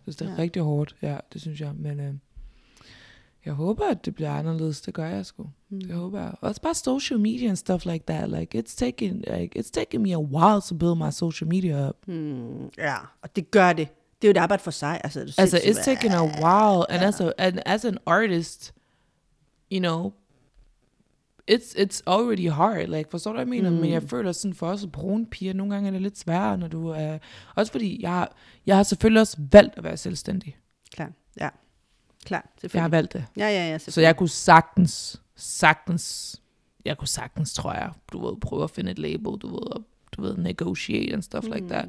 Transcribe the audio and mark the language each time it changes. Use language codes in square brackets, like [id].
[da] Så det er rigtig hårdt, ja, det synes jeg. Men jeg håber, at det bliver anderledes. Det gør jeg sgu. Mm. Jeg håber. Og også bare [en] social media and stuff like that. It's taken me a while to build my social media up. [da] Ja, og det gør det. Det er jo et arbejde for sig. Altså, [en] it's taken a while. And as an artist, you know, it's already hard. [da] Like, forstår du, hvad jeg mener? Mm. Men jeg føler sådan, for os brune piger, nogle gange er det lidt sværere, når du er... Også fordi, jeg har selvfølgelig også valgt at være selvstændig. Klar, ja. Klar, jeg har valgt det. Ja, så jeg kunne sagtens, tror jeg, du ved, prøve at finde et label, du ved, og, du ved, [en] negotiate and stuff like that.